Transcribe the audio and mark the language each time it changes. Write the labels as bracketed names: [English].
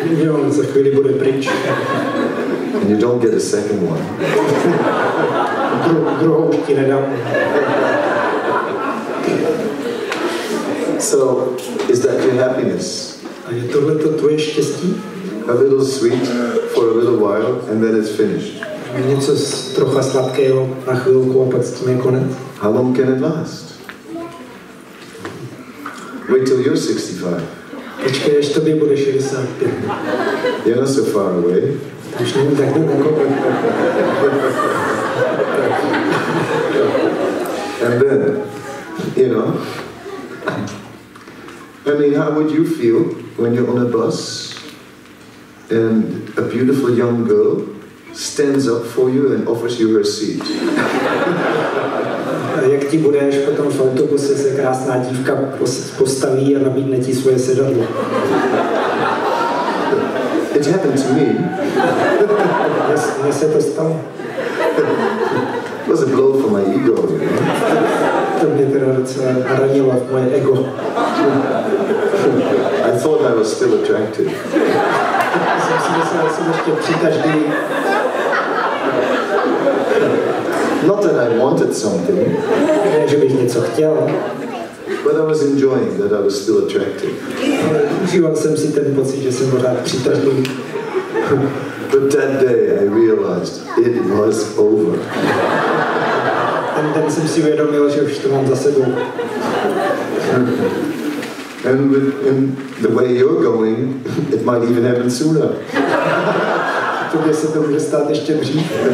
[Czech] Jo, za chvíli bude pryč. [English] And you don't get a second one. [Czech] Druhou už ti nedám. [English] So, is that your happiness? [Czech] A je tohleto tvoje štěstí? [English] A little sweet for a little while and then it's finished. [Czech] Něco z trocha sladkého na chvilku a pak s tím je konec. [English] How long can it last? Wait till you're 65. [Czech] Počkej, až tobě bude 65. [English] You're not so far away. [Czech] Už nevím, tak to nekoupím. [English] And then, you know, I mean, how would you feel when you're on a bus and a beautiful young girl stands up for you and offers you her seat. [Czech] Jak ti budeš potom v autobuse se krásná dívka postaví a nabídne ti svoje sedadlo? [English] It happened to me. [Czech] Mně se to stalo. [English] It was a blow for my ego, you know. [Czech] To mě teda docela ranilo moje ego. [English] I thought I was still attractive. [Czech] Já jsem si myslel, ještě přitažný. [English] Not that I wanted something. [Czech] Ne, že bych něco chtěl. [English] But I was enjoying that I was still attractive. [Czech] Užíval jsem si ten pocit, že jsem pořád přitažlivý. [English] But that day I realized it was over. [Czech] Ten den jsem si uvědomil, že už to mám za sebou. [English] And with in the way you're going, it might even happen sooner. [Czech] Tobě se to může stát ještě dřív.